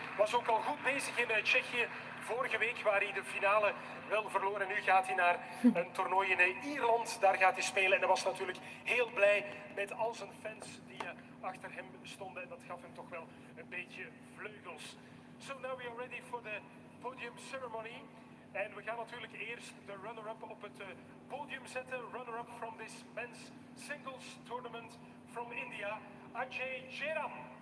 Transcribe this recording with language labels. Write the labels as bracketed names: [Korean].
[Dutch] Was ook al goed bezig in Tsjechië. Vorige week waar hij de finale wel verloor en nu gaat hij naar een toernooi in Ierland. Daar gaat hij spelen en hij was natuurlijk heel blij met al zijn fans die achter hem stonden. En dat gaf hem toch wel een beetje vleugels. [English] So now we are ready for the podium ceremony. [Dutch] En we gaan natuurlijk eerst de runner-up op het podium zetten. [English] Runner-up from this men's singles tournament from India, Ajay Jayaram.